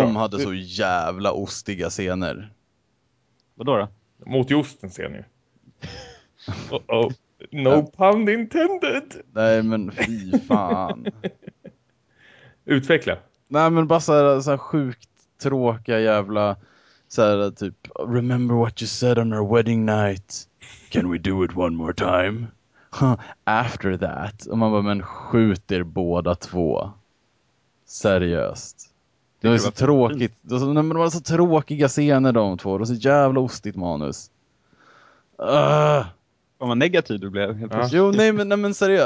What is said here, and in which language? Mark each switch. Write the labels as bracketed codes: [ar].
[sv] De hade så jävla ostiga scener. Vadå då? Mot josten ser ni. Oh-oh. [en] No pun intended. [sv] Nej, men fy fan. Utveckla. Nej, men bara så här sjukt tråkiga jävla... Så här typ... [en] Remember what you said on our wedding night? Can we do it one more time? After that. [sv] Och man bara, men skjut er båda två. Seriöst. Det var så tråkigt. Det var så tråkiga scener de två. Det var så jävla ostigt manus. Vad negativ du blev helt plötsligt. Jo, nej men seriöst.